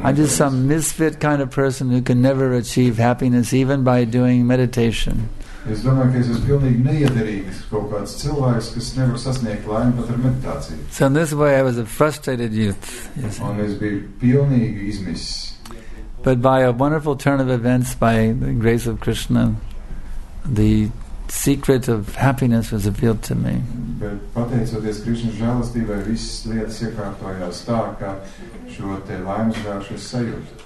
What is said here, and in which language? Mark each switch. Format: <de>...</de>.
<en>I'm just some misfit kind of person who can never achieve happiness even by doing meditation.</en> <lv>Es domāju, ka es esmu pilnīgi neiederīgs kaut kāds cilvēks, kas nevar sasniegt laimi pat ar meditāciju.</lv> <en>So in this way I was a frustrated youth. Yes.</en> <lv>Un es biju pilnīgi izmiss.</lv> <en>But by a wonderful turn of events, by the grace of Krishna, the secret of happiness was revealed to me.</en> <lv>Bet pateicoties Krišna žēlastībai, visas lietas iekārtojās tā, ka šo te laimes vēršu es sajūtu.</lv>